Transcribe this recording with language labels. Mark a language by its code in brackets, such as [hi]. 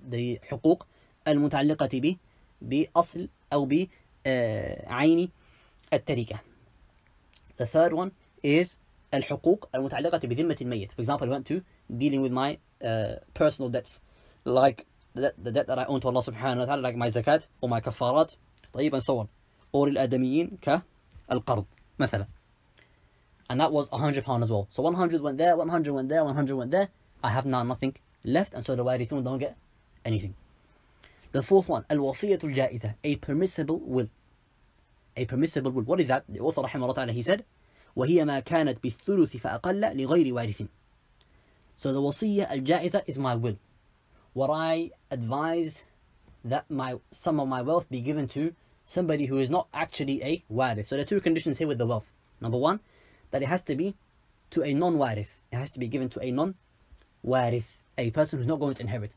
[ar] The حقوق المتعلقة بأصل أو بعين التركة. [en] The third one is [ar] الحقوق المتعلقة بذمة المايد. [en] For example, it went to dealing with my personal debts, like the debt that I own to Allah subhanahu wa ta'ala, like my zakat or my kafarat, طيب, and so on. [ar] Or الأدميين كالقرض مثلا. [en] And that was £100 as well. So 100 went there, 100 went there, 100 went there. I have now nothing left, and so the warithun don't get anything. The fourth one, al-wasiyatul ja'iza, a permissible will. A permissible will. What is that? The author, rahimahullah ta'ala, he said, [ar] وَهِيَ مَا كَانَتْ بِالثُّلُثِ فَأَقَلَّ لِغَيْرِ وَارِثٍ. [en] So the wasiyah al-ja'iza is my will. What I advise that my some of my wealth be given to somebody who is not actually a warith. So there are two conditions here with the wealth. Number one, that it has to be to a non-warith. It has to be given to a non-warith, a person who's not going to inherit.